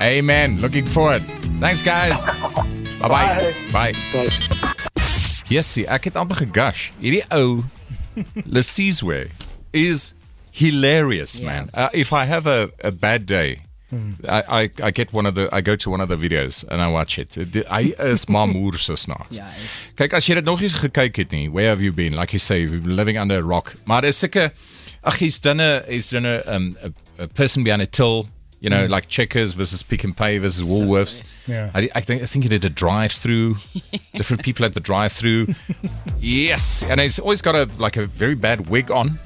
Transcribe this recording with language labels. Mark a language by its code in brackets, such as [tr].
[en] Amen. Looking forward. Thanks, guys. Bye-bye. Bye. Bye. Yes, see, [af] ek het amper gegush. Hierdie ou Lasizwe is hilarious, man. [en] If I have a bad day, I get one of the, I go to one of the videos and I watch it. [af] Hy is mamoer so snaaks. Kyk, as jy dit nog nie gekyk het nie, [en] where have you been? Like you say, you've been living under a rock. [af] Maar is sikke, ach, [en] he's done a person behind a till, you know, like Checkers versus Pick and Pay versus Woolworths. So, yeah. I think he did a drive-through. Different people at the drive-through. Yes. And he's always got a very bad wig on.